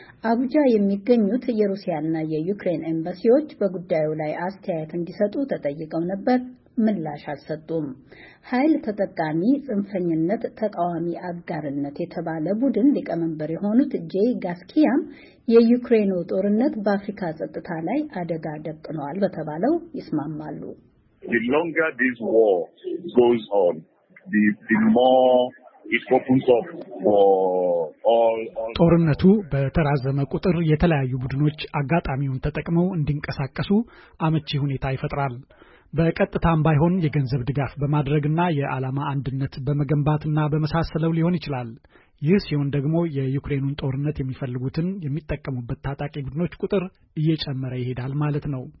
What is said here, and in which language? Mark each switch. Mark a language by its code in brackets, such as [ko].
[am] አቡጃ የሚገኙት የሩሲያና የዩክሬን ኤምባሲዎች በጉዳዩ ላይ አስተያየት እንዲሰጡ ተጠይቀው ነበር፣ ምላሽ አልሰጡም። ኃይል ተጠቃሚ ጽንፈኝነት ተቃዋሚ አጋርነት የተባለ ቡድን ሊቀመንበር የሆኑት ጄይ ጋስኪያም የዩክሬኑ ጦርነት በአፍሪካ ጸጥታ ላይ አደጋ ደቅኗል በተባለው ይስማማሉ። [en] The longer this war goes on, the more it opens up for all. [am] ጦርነቱ በተራዘመ ቁጥር የተለያዩ ቡድኖች አጋጣሚውን ተጠቅመው እንዲንቀሳቀሱ አመቺ ሁኔታ ይፈጥራል። በቀጥታም ባይሆን የገንዘብ ድጋፍ በማድረግና የዓላማ አንድነት በመገንባትና በመሳሰለው ሊሆን ይችላል። ይህ ሲሆን ደግሞ የዩክሬኑን ጦርነት የሚፈልጉትን የሚጠቀሙበት ታጣቂ ቡድኖች ቁጥር እየጨመረ ይሄዳል ማለት ነው።